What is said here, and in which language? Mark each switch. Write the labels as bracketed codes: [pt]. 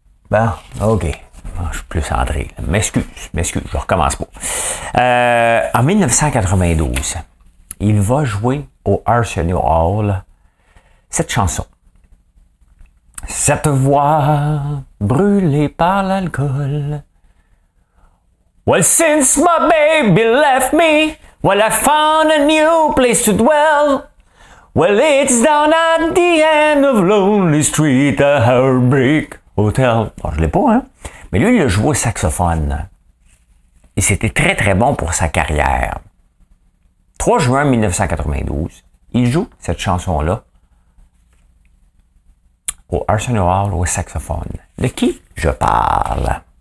[fr] Bon, OK. Je suis plus André. M'excuse, je ne recommence pas. En 1992, il va jouer au Arsenal Hall cette chanson. Cette voix brûlée par l'alcool. [en] Well, since my baby left me, well, I found a new place to dwell. Well, it's down at the end of Lonely Street, a heartbreak hotel. [fr] Bon, je l'ai pas, hein. Mais lui, il a joué au saxophone. Et c'était très, très bon pour sa carrière. 3 juin 1992, il joue cette chanson-là au Arsenal Hall au saxophone. De qui je parle?